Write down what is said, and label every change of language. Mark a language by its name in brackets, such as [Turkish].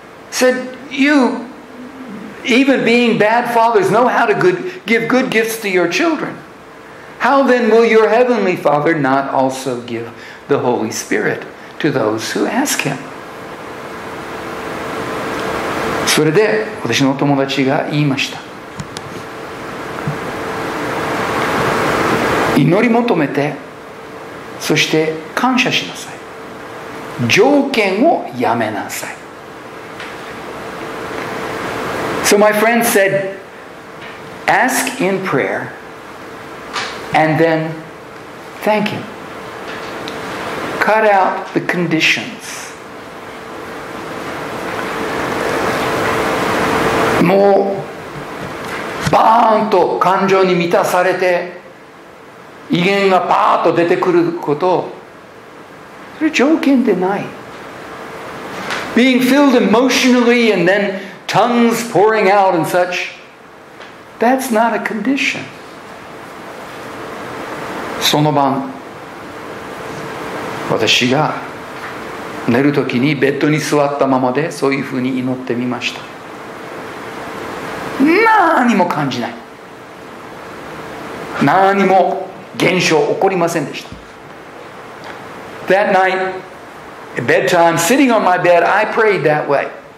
[English] Said, you even being bad fathers know how to good, give good gifts to your children. How then will your heavenly Father not also give the Holy Spirit to those who ask him? [Japanese] それで私の友達が言いました。祈り求めて、そして感謝しなさい。条件をやめなさい。 [English] So my friend said, ask in prayer and then thank him. Cut out the conditions. [Japanese] もうバーンと感情に満たされて威厳がパーッと出てくること、それ条件でない。 [English] Being filled emotionally and then tongues pouring out and such, that's not a condition. [Japanese] その晩私が寝るときにベッドに座ったままでそういうふうに祈ってみました。何も感じない。何も現象起こりませんでした。 [English] That night at bedtime, sitting on my bed, I prayed that way.